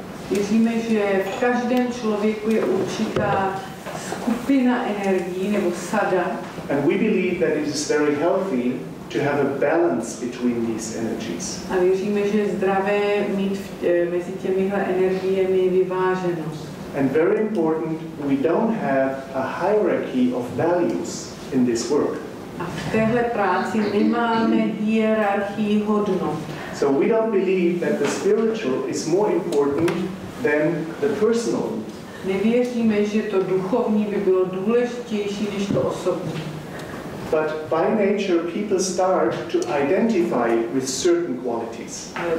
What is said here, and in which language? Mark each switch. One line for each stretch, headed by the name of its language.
Czech: Věříme, že v každém člověku je určitá skupina energií nebo sada.
English: And we believe that it is very healthy to have a balance between these energies.
Czech: A věříme, že je zdravé mít mezi těmihle energiemi vyváženost.
English: And very important, we don't have a hierarchy of values in this work.
Czech: A v téhle práci nemáme hierarchii hodnot.
English: So we don't believe that the spiritual is more important than the personal.
Czech: Nevěříme, že to duchovní by bylo důležitější než to osobní.
English: But by nature, people start to identify with certain qualities.